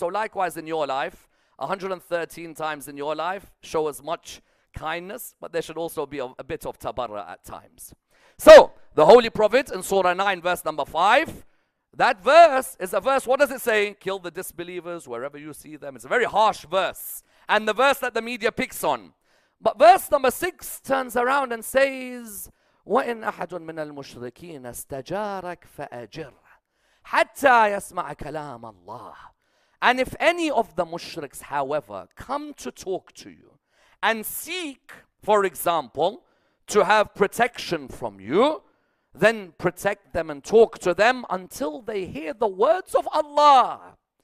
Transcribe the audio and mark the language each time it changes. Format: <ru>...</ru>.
<en>So likewise in your life, 113 times in your life, show as much kindness, but there should also be a bit of tabarra at times. So, the Holy Prophet in Surah 9, verse number 5, that verse is a verse, what does it say? Kill the disbelievers wherever you see them. It's a very harsh verse. And the verse that the media picks on. But verse number 6 turns around and says,</en> <ar>وَإِنْ أَحَدٌ مِنَ الْمُشْرِكِينَ اسْتَجَارَكَ فَأَجِرْ حَتَّى يَسْمَعَ كَلَامَ اللَّهِ.</ar> <en>And if any of the mushriks, however, come to talk to you and seek, for example, to have protection from you, then protect them and talk to them until they hear the words of Allah.</en>